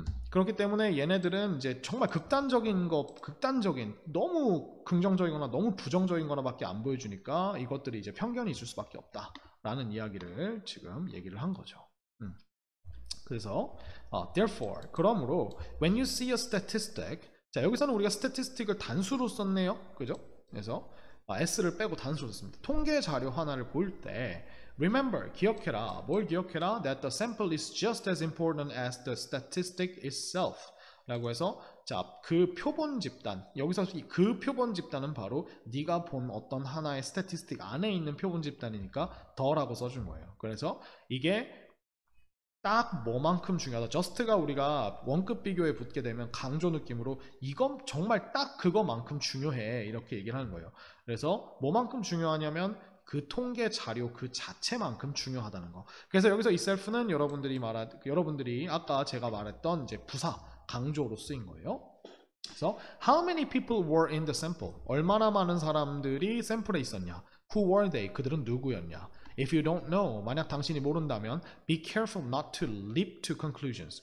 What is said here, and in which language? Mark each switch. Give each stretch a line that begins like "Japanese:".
Korean: 그렇기 때문에 얘네들은 이제 정말 극단적인 것, 극단적인 너무 긍정적이거나 너무 부정적인 거나밖에 안 보여주니까 이것들이 이제 편견이 있을 수밖에 없다라는 이야기를 지금 얘기를 한 거죠. 그래서 therefore, 그러므로
English: when you see a statistic,
Korean: 자 여기서는 우리가 statistic을 단수로 썼네요, 그죠? 그래서 s를 빼고 단수로 썼습니다. 통계 자료 하나를 볼 때. Remember, 기억해라. 뭘 기억해라?
English: That the sample is just as important as the statistic itself.
Korean: 라고 해서, 자, 그 표본 집단, 여기서 그 표본 집단은 바로 네가 본 어떤 하나의 statistic 안에 있는 표본 집단이니까 더라고 써준 거예요. 그래서 이게 딱 뭐만큼 중요하다. Just가 우리가 원급 비교에 붙게 되면 강조 느낌으로 이건 정말 딱 그거만큼 중요해. 이렇게 얘기를 하는 거예요. 그래서 뭐만큼 중요하냐면 그 통계 자료 그 자체만큼 중요하다는 거. 그래서 여기서 itself는 여러분들이 아까 제가 말했던 이제 부사 강조로 쓰인 거예요.
English: 그래서 how many people were in the sample?
Korean: 얼마나 많은 사람들이 샘플에 있었냐?
English: Who were they?
Korean: 그들은 누구였냐?
English: If you don't know,
Korean: 만약 당신이 모른다면
English: be careful not to leap to conclusions.